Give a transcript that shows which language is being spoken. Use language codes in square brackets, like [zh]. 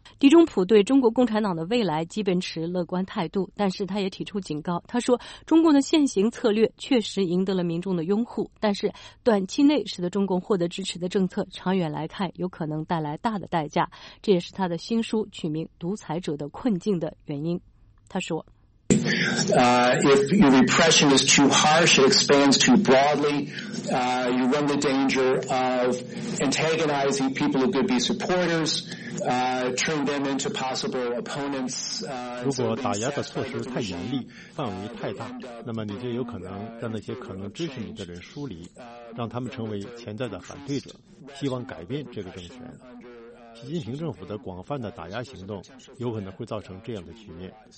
[zh] 狄中普对中国共产党的未来基本持乐观态度，但是他也提出警告，他说，中共的现行策略确实赢得了民众的拥护，但是短期内使得中共获得支持的政策，长远来看有可能带来大的代价，这也是他的新书取名《独裁者的困境》的原因。他说， [en] If your repression is too harsh, it expands too broadly, you run the danger of antagonizing people who could be supporters, turn them into possible opponents. [zh] 如果打压的措施太严厉，范围太大，那么你就有可能让那些可能支持你的人疏离，让他们成为潜在的反对者，希望改变这个政权。习近平政府的广泛的打压行动有可能会造成这样的局面。